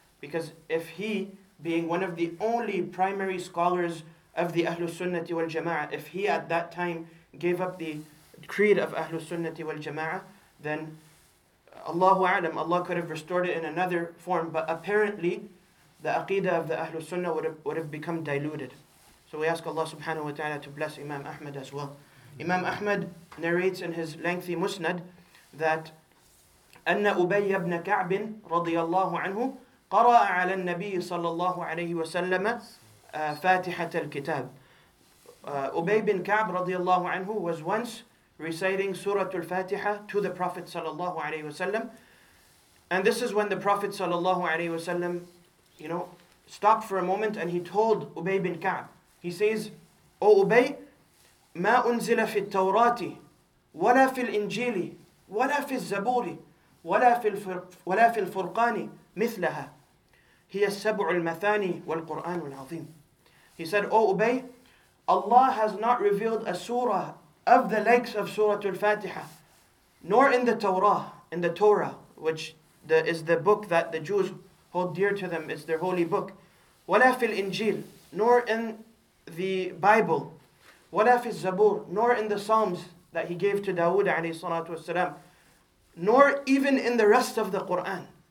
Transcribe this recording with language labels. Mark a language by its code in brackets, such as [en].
[en] Because if he, being one of the only primary scholars of the Ahlul Sunnati wal Jama'ah, if he at that time gave up the creed of Ahlul Sunnati wal Jama'ah, then Allahu A'lam, Allah could have restored it in another form. But apparently, the aqidah of the Ahlul Sunnah would have become diluted. So we ask Allah subhanahu wa ta'ala to bless Imam Ahmad as well. Imam Ahmad narrates in his lengthy Musnad that [ar] أن أبي بن كعب رضي الله عنه قرأ على النبي صلى الله عليه وسلم فاتحة الكتاب. [en] Ubay bin Ka'b [ar] رضي الله عنه [en] was once reciting Surah Al-Fatiha to the Prophet [ar] صلى الله عليه وسلم. [en] And this is when the Prophet [ar] صلى الله عليه وسلم, [en] you know, stopped for a moment and he told Ubay bin Ka'b. He says, O Ubay, [ar] ما أنزل في التوراة ولا في الإنجيل ولا في الزبور ولا في الفرقان مثلها هي السبع المثاني والقرآن العظيم. [en] He said, O Ubay, Allah has not revealed a surah of the likes of Surah Al-Fatiha, nor in the Torah, which is the book that the Jews hold dear to them, it's their holy book, [ar] ولا في الإنجيل, [en] nor in the Bible, [ar] وَلَا فِي الزَّبُورِ, [en] nor in the Psalms that he gave to Dawood alayhi salatu wasalam, nor even in the rest of the Qur'an.